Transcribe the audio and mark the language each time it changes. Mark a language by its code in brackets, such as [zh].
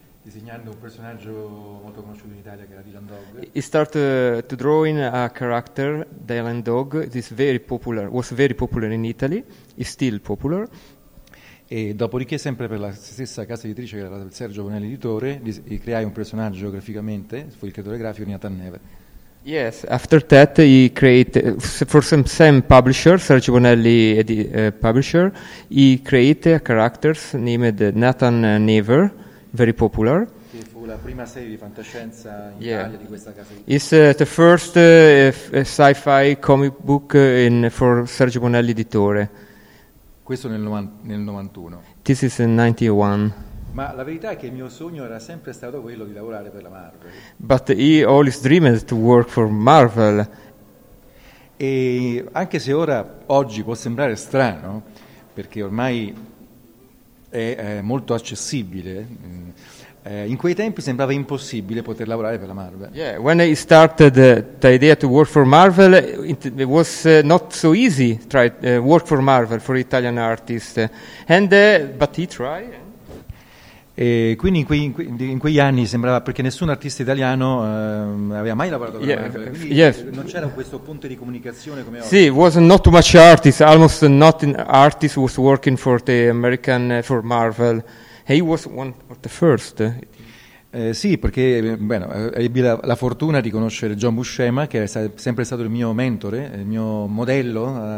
[it] Disegnando un personaggio molto conosciuto in Italia che era Dylan Dog. [en] He started to draw in a character, Dylan Dog. This very popular, was very popular in Italy. Is still popular. [it] E dopodiché, sempre per la stessa casa editrice, che era il Sergio Bonelli editore, creai un personaggio graficamente, fu il creatore grafico Nathan Never. [en] Yes, after that he created, for same publisher, Sergio Bonelli publisher, he created a character named Nathan Never, very popular. [it] Che fu la prima serie di fantascienza in Italia di questa casa [en] editrice. It's the first sci-fi comic book for Sergio Bonelli editore. [it] Questo nel 91. [en] This is in 91. [it] Ma la verità è che il mio sogno era sempre stato quello di lavorare per la Marvel. [en] But he always dreamed to work for Marvel. [it] E anche se ora, oggi, può sembrare strano, perché ormai è molto accessibile, in quei tempi sembrava impossibile poter lavorare per la Marvel. [en] Yeah, when he started the idea to work for Marvel, it was not so easy to try work for Marvel for Italian artist. But he tried. [it] E quindi in quegli anni sembrava, perché nessun artista italiano aveva mai lavorato per Marvel. [en] Yes. [it] Non c'era questo ponte di comunicazione come oggi. [en] Sì, was not too much artist, almost not an artist was working for the American for Marvel. He was one of the first. [it] Sì, perché ebbi la fortuna di conoscere John Buscema, che è sempre stato il mio mentore, il mio modello.